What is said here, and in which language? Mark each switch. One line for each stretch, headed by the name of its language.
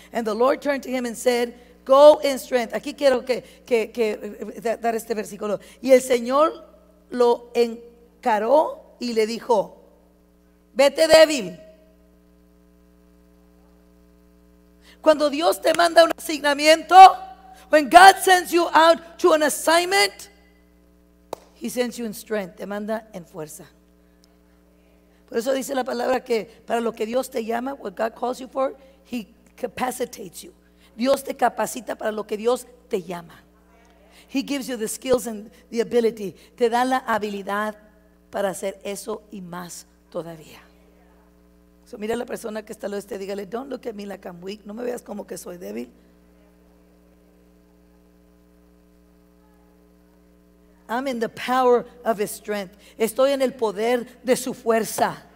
English: And the Lord turned to him and said, go in strength.
Spanish: Aquí quiero que dar este versículo. Y el Señor lo encaró y le dijo, vete débil. Cuando Dios te manda un asignamiento,
English: when God sends you out to an assignment, he sends you in strength.
Spanish: Te manda en fuerza. Por eso dice la palabra que para lo que Dios te llama,
English: what God calls you for, he capacitates you.
Spanish: Dios te capacita para lo que Dios te llama.
English: He gives you the skills and the ability.
Spanish: Te da la habilidad para hacer eso y más todavía. So mira a la persona que está al oeste, dígale,
English: don't look at me like I'm weak.
Spanish: No me veas como que soy débil.
English: I'm in the power of his strength.
Spanish: Estoy en el poder de su fuerza.